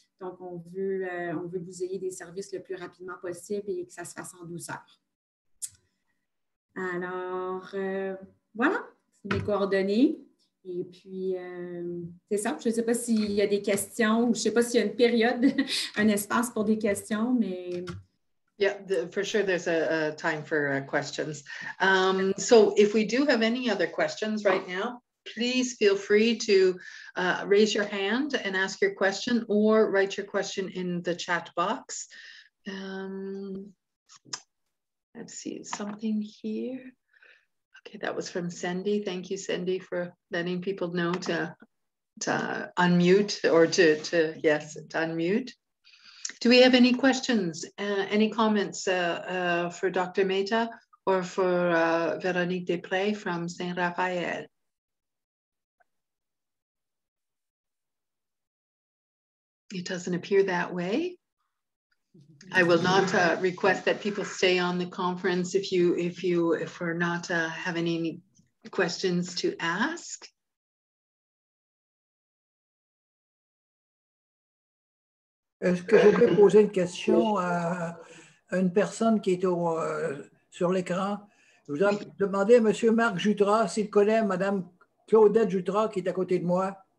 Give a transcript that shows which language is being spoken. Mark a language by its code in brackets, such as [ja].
[fr] Donc, on veut vous ayez des services le plus rapidement possible et que ça se fasse en douceur. Alors, voilà, c'est mes coordonnées. Et puis, c'est ça. Je ne sais pas s'il y a des questions ou je ne sais pas s'il y a une période, un espace pour des questions, mais... [en] Yeah, for sure there's a time for questions. So if we do have any other questions right now, please feel free to raise your hand and ask your question or write your question in the chat box. Let's see, something here. Okay, that was from Cindy. Thank you, Cindy, for letting people know to unmute or to unmute. Do we have any questions, any comments for Dr. Mehta or for Véronique Després from Saint-Raphaël? It doesn't appear that way. I will not request that people stay on the conference if we're not having any questions to ask. [fr] Est-ce que je peux poser une question à une personne qui est sur l'écran? Je vous ai demandé à M. Marc Jutras s'il connaît Mme Claudette Jutras qui est à côté de moi.